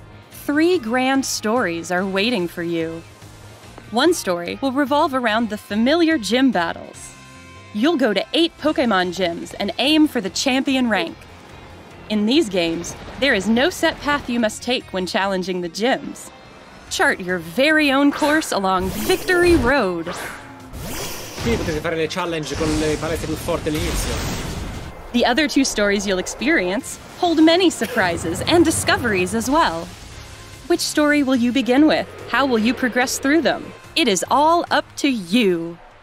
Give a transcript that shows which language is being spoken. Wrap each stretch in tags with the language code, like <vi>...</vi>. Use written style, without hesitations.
<en>Three grand stories are waiting for you. One story will revolve around the familiar gym battles. You'll go to 8 Pokémon gyms and aim for the champion rank. In these games, there is no set path you must take when challenging the gyms. Chart your very own course along Victory Road.</en> <it>Sì, potete fare le challenge con le palette più forti all'inizio.</it> <en>The other two stories you'll experience hold many surprises and discoveries as well. Which story will you begin with? How will you progress through them? It is all up to you.</en>